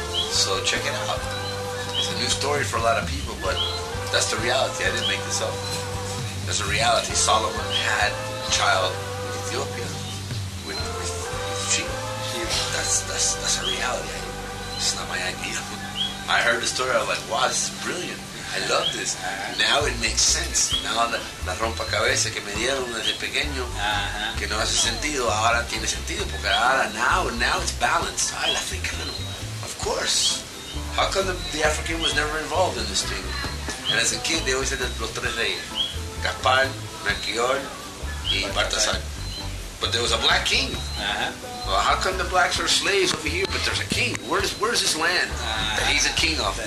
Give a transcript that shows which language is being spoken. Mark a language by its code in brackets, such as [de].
[en] So check it out. It's a new story for a lot of people, but that's the reality. I didn't make this up. That's a reality. Solomon had a child in Ethiopia with Sheba. That's a reality. It's not my idea. I heard the story. I was like, wow, this is brilliant. I love this. Now it makes sense. [es] Now la rompecabezas que me dieron desde pequeño, que no hace sentido, ahora tiene sentido, porque ahora, [en] now it's balanced. I love it, kind of. Of course. How come the African was never involved in this thing? And as a kid, they always said that [es] los tres reyes, [en] Gaspar, Melchior, y Baltasar. But there was a black king. Uh-huh. Well, how come the blacks are slaves over here, but there's a king? Where's his land that he's a king of?